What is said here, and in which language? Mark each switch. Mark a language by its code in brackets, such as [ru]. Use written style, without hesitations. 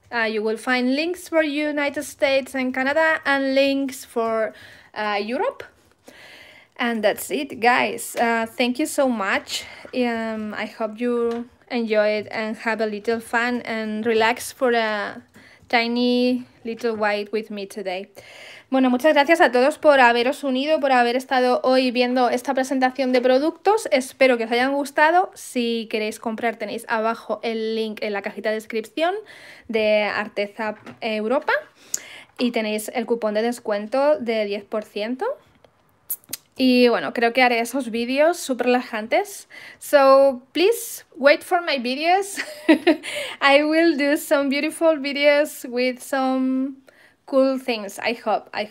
[en] You will find links for United States and Canada and links for Europe. And that's it, guys. Thank you so much. I hope you enjoy it and have a little fun and relax for a tiny little while with me today. [es] Bueno, muchas gracias a todos por haberos unido, por haber estado hoy viendo esta presentación de productos. Espero que os hayan gustado. Si queréis comprar, tenéis abajo el link en la cajita de descripción de ARTEZA Europa. Y tenéis el cupón de descuento de 10%. Y bueno, creo que haré esos vídeos súper relajantes. [en] So, please wait for my videos. I will do some beautiful videos with some cool things. I hope.